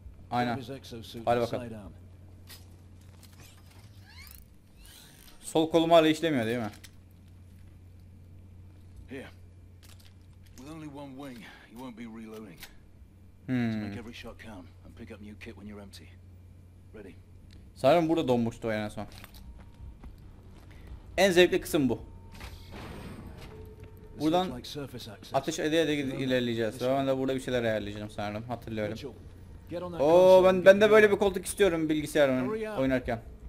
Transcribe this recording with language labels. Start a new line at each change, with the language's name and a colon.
Turkish: Aynen. Hadi bakalım. Sol kolum hala işlemiyor değil mi?
English: Here. With only one wing, you won't be reloading. Make every shot count and pick up new kit when you're empty. Ready.
Turkish: Sanırım burada donmuştu en son. En zevkli kısım bu. Buradan ateş edeye ilerleyeceğiz. Ben de burada bir şeyler ayarlayacağım sanırım. Hatırlıyorum. Oo, ben de böyle bir koltuk istiyorum bilgisayarım oynarken.